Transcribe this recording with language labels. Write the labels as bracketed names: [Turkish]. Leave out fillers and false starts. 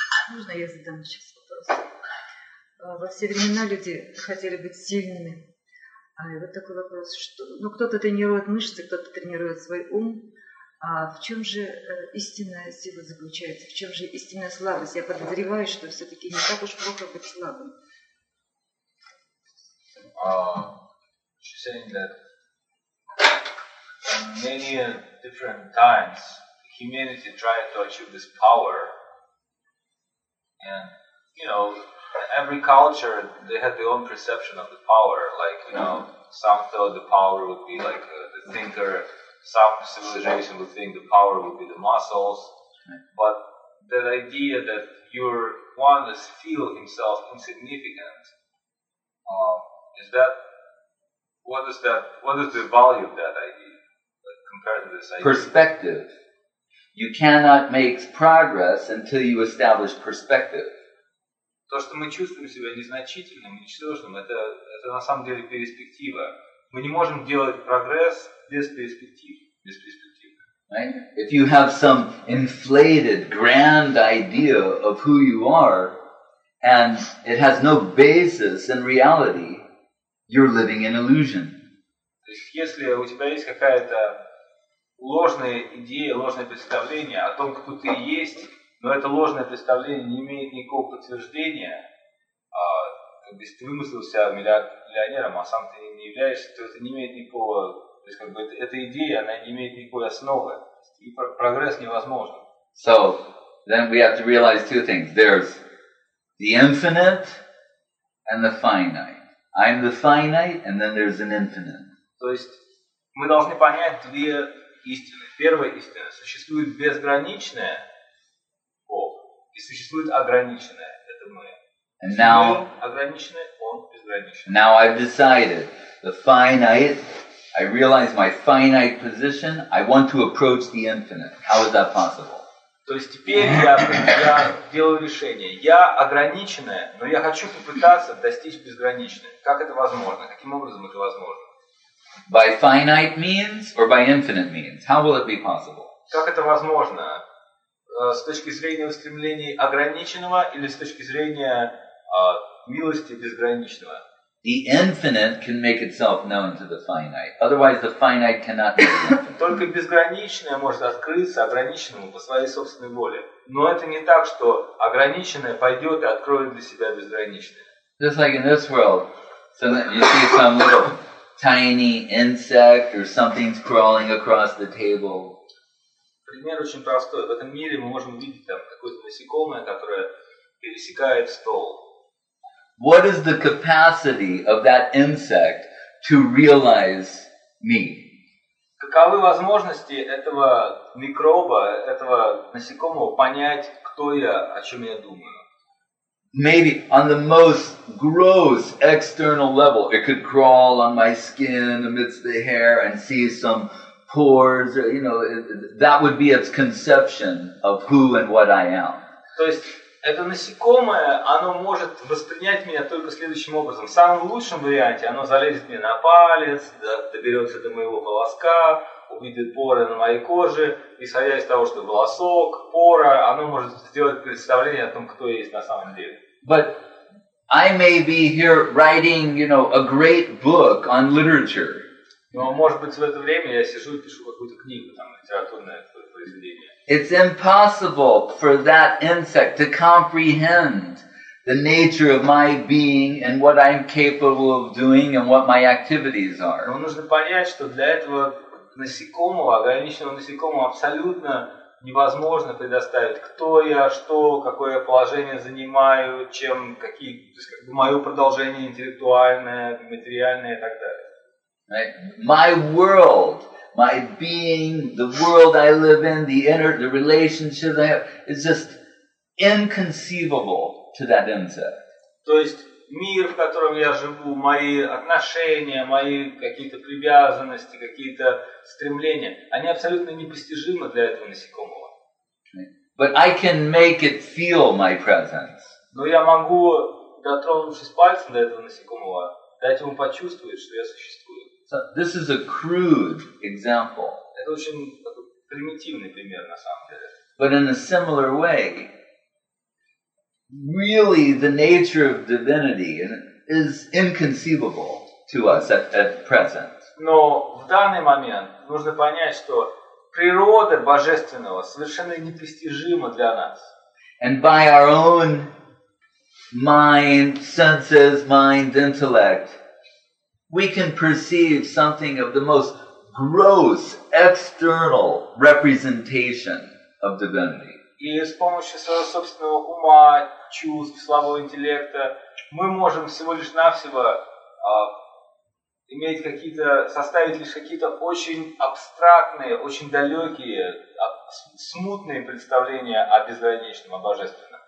[Russian] Можно я задам сейчас вопрос? Во все времена люди хотели быть сильными. А вот такой вопрос. Что, ну, кто-то тренирует мышцы, кто-то тренирует свой ум. А в чем же истинная сила заключается? В чем же истинная слабость? Я подозреваю, что все-таки не так уж плохо быть слабым. [English] She's saying that many different times humanity tried to achieve this power, and you know, every culture they had their own perception of the power. Like, you know, some thought the power would be like the thinker, some civilization would think the power would be the muscles. But that idea that your oneness feel himself insignificant. Is that, what is that, what is the value of that idea, like, compared to this idea? Perspective. You cannot make progress until you establish perspective. [Russian] То, что мы чувствуем себя незначительным, ничтожным, это на самом деле перспектива. Мы не можем делать прогресс без перспектив. Без перспективы. [English] Right? If you have some inflated, grand idea of who you are, and it has no basis in reality, you're living in illusion. [Russian] То есть, если у тебя есть какая-то ложная идея, ложное представление о том, кто ты есть, но это ложное представление не имеет никакого подтверждения, как бы, если ты вымыслил себя миллионером, а сам ты не являешься, то это не имеет никакого, то есть, как бы, эта идея, она не имеет никакой основы, и прогресс невозможен. [English] So, then we have to realize two things. There's the infinite and the finite. I'm the finite, and then there's an infinite. [Russian] То есть мы должны понять две истины. Первая истина – существует безграничное Бог, и существует ограниченное – это мы. [English] And now, [Russian] ограниченное, он безграничный. [English] Now I've decided the finite. I realize my finite position. I want to approach the infinite. How is that possible? [Russian] То есть теперь я делаю решение. Я ограниченное, но я хочу попытаться достичь безграничное. Как это возможно? Каким образом это возможно? [English] By finite means or by infinite means? How will it be possible? [Russian] Как это возможно? С точки зрения устремлений ограниченного или с точки зрения милости безграничного? [English] The infinite can make itself known to the finite. Otherwise, the finite cannot make infinite. [Russian] Только безграничное может открыться ограниченному по своей собственной воле. Но это не так, что ограниченное пойдет и откроет для себя безграничное. [English] Just like in this world, so you see some little tiny insect or something's crawling across the table. [Russian] Пример очень простой. В этом мире мы можем увидеть там какое-то насекомое, которое пересекает стол. [English] What is the capacity of that insect to realize me? [Russian] Каковы возможности этого микроба, этого насекомого понять, кто я, о чем я думаю? [English] Maybe on the most gross external level, it could crawl on my skin amidst the hair and see some pores. You know, that would be its conception of who and what I am. [Russian] То есть это насекомое, оно может воспринять меня только следующим образом. В самом лучшем варианте оно залезет мне на палец, доберется до моего волоска, увидит поры на моей коже, исходя из того, что волосок, пора, оно может сделать представление о том, кто я есть на самом деле. [English] But I may be here writing, you know, a great book on literature. [Russian] Но, может быть, в это время я сижу и пишу какую-то книгу, там, литературное произведение. [English] It's impossible for that insect to comprehend the nature of my being and what I'm capable of doing and what my activities are. [Russian] Но нужно понять, что для этого насекомого, ограниченного насекомого, абсолютно невозможно предоставить, кто я, что, какое положение занимаю, чем, какие, то есть, как бы, мое продолжение интеллектуальное, материальное и так далее. Right? [English] My world, my being, the world I live in, the relationships I have, is just inconceivable to that insect. [Russian] То есть мир, в котором я живу, мои отношения, мои какие-то привязанности, какие-то стремления, они абсолютно непостижимы для этого насекомого. [English] But I can make it feel my presence. [Russian] Но я могу, дотронувшись пальцем до этого насекомого, дать ему почувствовать, что я существую. [English] So this is a crude example. [Russian] Это очень примитивный пример на самом деле. [English] But in a similar way, really the nature of divinity is inconceivable to us at present. [Russian] Но в данный момент нужно понять, что природа божественного совершенно непостижима для нас. [English] And by our own mind, senses, mind, intellect, we can perceive something of the most gross external representation of divinity. [Russian] И с помощью своего собственного ума, чувств, слабого интеллекта, мы можем всего лишь навсего иметь какие-то, составить лишь какие-то очень абстрактные, очень далекие, смутные представления о безграничном, о божественном.